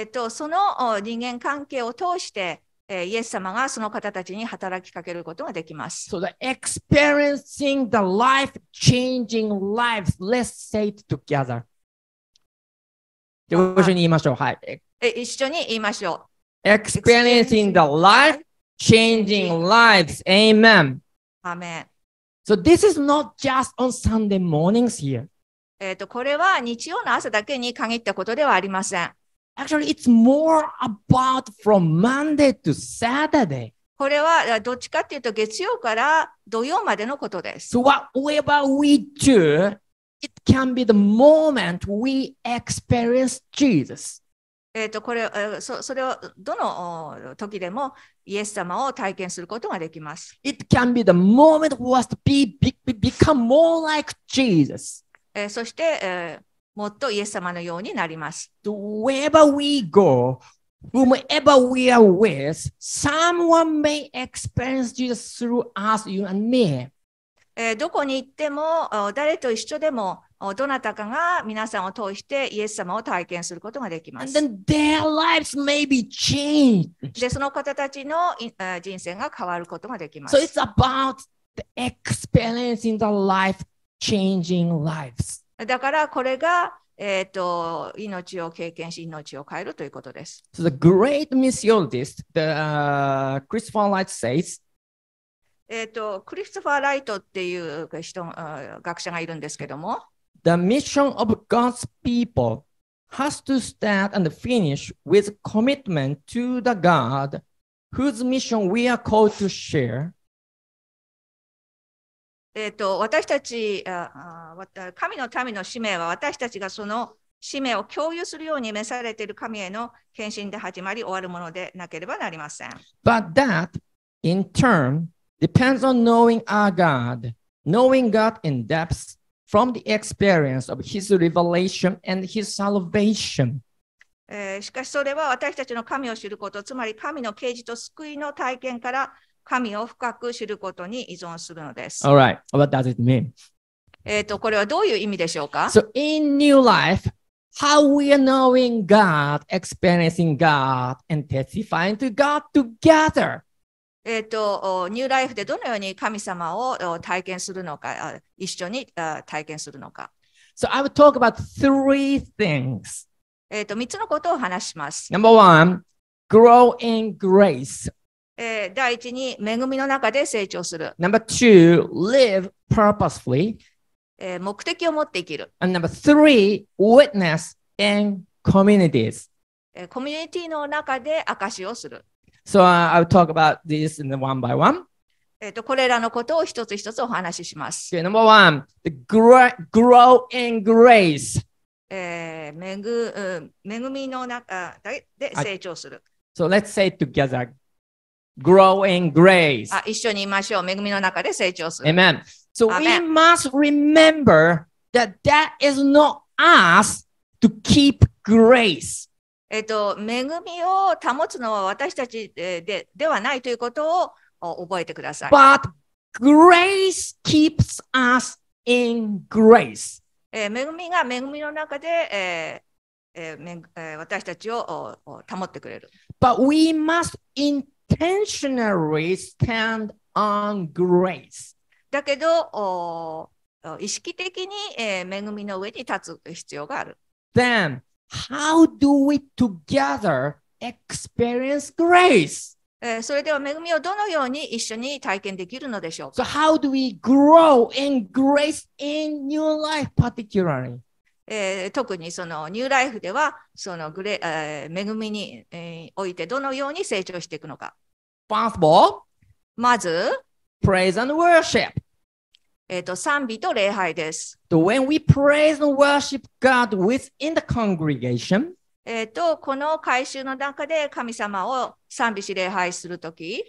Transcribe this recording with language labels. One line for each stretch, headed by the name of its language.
Japanese: その人間関係を通して、イエス様がその方たちに働きかけることができます。
English: So the experiencing the life-changing lives, let's say it together.
Japanese: じゃあ、一緒に言いましょう。はい。一緒に言いましょう。
English: Experiencing the life-changing lives. Amen. Amen. So this is not just on Sunday mornings here.
Japanese: これは日曜の朝だけに限ったことではありません。
English: Actually, it's more about from Monday to Saturday.
Japanese: これはどっちかっていうと月曜から土曜までのことです。
English: So whatever we do, it can be the moment we experience Jesus.
Japanese: これ、それをどの時でもイエス様を体験することができます。
English: It can be the moment for us to become more like Jesus.
Japanese: そして、もっとイエス様のようになります。
English: Wherever we go, whomever we are with, someone may experience Jesus through us, you and me.
Japanese: どこに行っても、誰と一緒でも、どなたかが皆さんを通してイエス様を体験することができます。
English: And then their lives may be changed.
Japanese: で、その方たちの人生が変わることができます。
English: So it's about the experiencing the life-changing lives.
Japanese: だからこれが命を経験し命を変えるということです。
English: So、the great missiologist, the、Christopher Light says,
Japanese: クリストファー・ライトっていう人、学者がいるんですけども、
English: The mission of God's people has to start and finish with commitment to the God whose mission we are called to share.
Japanese: 私たち、神の民の使命は私たちがその使命を共有するように召されている神への献身で始まり終わるものでなければなりません。
English: But that, in turn, depends on knowing our God, knowing God in depth from the experience of His revelation and His salvation.
Japanese: しかしそれは私たちの神を知ること、つまり神の啓示と救いの体験から神を深く知ることに依存するのです。
English: All right. What does it mean?
Japanese: これはどういう意味でしょうか?
English: So in new life, how we are knowing God, experiencing God, and testifying to God together.
Japanese: ニューライフでどのように神様を体験するのか、一緒に体験するのか。
English: So I will talk about three things.
Japanese: 三つのことを話します。
English: Number one, grow in grace.
Japanese: 第一に恵みの中で成長する。
English: Number two, live purposefully.
Japanese: 目的を持って生きる。
English: And number three, witness in communities.
Japanese: コミュニティの中で証しをする。
English: So I will talk about this in the one by one.
Japanese: これらのことを一つ一つお話しします。
English: Okay, number one, the grow in grace.
Japanese: 恵みの中で成長する。
English: So let's say together. Grow in grace.
Japanese: 一緒にいましょう。恵みの中で成長する。
English: Amen. So we must remember that that is not us to keep grace.
Japanese: 恵みを保つのは私たちではないということを覚えてください。
English: But grace keeps us in grace.
Japanese: 恵みが恵みの中で私たちを保ってくれる。
English: But we must intentionally stand on grace.
Japanese: だけど、意識的に、恵みの上に立つ必要がある。
English: Then, how do we together experience grace?
Japanese: それでは恵みをどのように一緒に体験できるのでしょうか?
English: So how do we grow in grace in new life particularly?
Japanese: 特にそのニューライフではそのグレ、恵みに、おいてどのように成長していくのか。
English: First of all,
Japanese: まず、
English: praise and worship.
Japanese: 賛美と礼拝です。
English: So、when we praise and worship God within the congregation,
Japanese: この会衆の中で神様を賛美し礼拝するとき、